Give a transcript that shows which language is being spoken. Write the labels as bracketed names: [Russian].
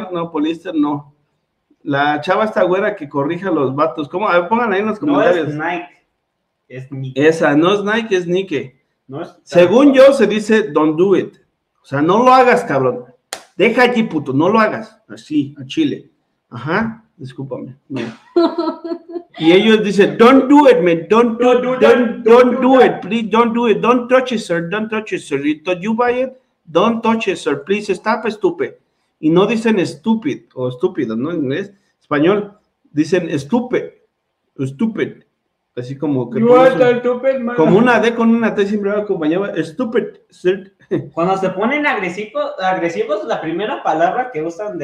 [Spanish] Poliéster, no. La chava esta güera que corrija los vatos. ¿Cómo? A ver, pongan ahí en los comentarios. No es Nike. Es Nike. Esa, no es Nike, es Nike. No es. Según yo, se dice, [English] don't do it. [Spanish] O sea, no lo hagas, cabrón. Deja allí, puto, no lo hagas. Así, a Chile. Ajá, discúlpame. Y ellos dicen, [English] don't do it, man. Don't do it. Please, don't do it. Don't touch it, sir. You buy it, don't touch it, sir. Please, stop, stupid. [Spanish] Y no dicen stupid o estúpido, ¿no? En inglés, español, dicen stupid. Así como que [English] you are so stupid, man. [Spanish] Como una D con una T siempre va acompañada. [English] Stupid, sir. [Spanish] Cuando se ponen agresivos, la primera palabra que usan de...